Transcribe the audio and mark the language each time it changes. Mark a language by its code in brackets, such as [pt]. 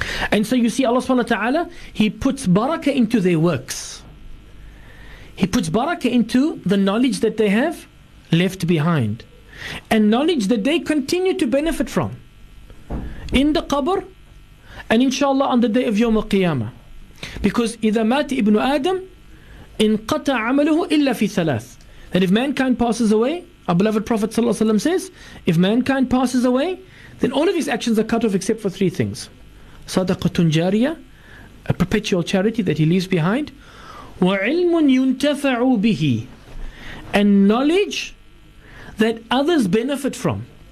[en] And so you see Allah subhanahu wa ta'ala, he puts barakah into their works. He puts barakah into the knowledge that they have left behind, and knowledge that they continue to benefit from in the qabr, and inshallah on the day of Yawm al-Qiyamah. [ar] Because إِذَا مَاتِ إِبْنُ آدَمٍ إِنْ قَطَعَ عَمَلُهُ إِلَّا فِي ثَلَاثٍ. [en] That if mankind passes away, our beloved Prophet ﷺ says, if mankind passes away, then all of his actions are cut off except for three things. [ar] Sadaqatun jariya, [en] a perpetual charity that he leaves behind. [ar] Wa ilmun yuntafa'u bihi, [en] and knowledge that others benefit from.